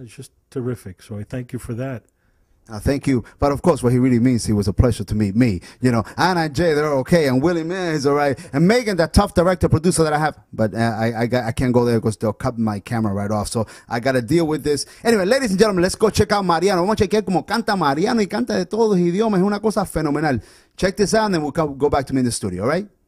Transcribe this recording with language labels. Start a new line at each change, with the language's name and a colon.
English: It's just terrific. So I thank you for that. Thank you. But of course, what he really means, he was a pleasure to meet me. You know, Anna and Jay, they're okay. And Willie, man, he's all right. And Megan, that tough director, producer that I have. But I can't go there because they'll cut my camera right off. So I got to deal with this. Anyway, ladies and gentlemen, let's go check out Mariano.
Spanish: Vamos a chequear como canta Mariano y canta de todos los idiomas. Es una cosa fenomenal.
English: Check this out and then we'll go back to me in the studio, all right?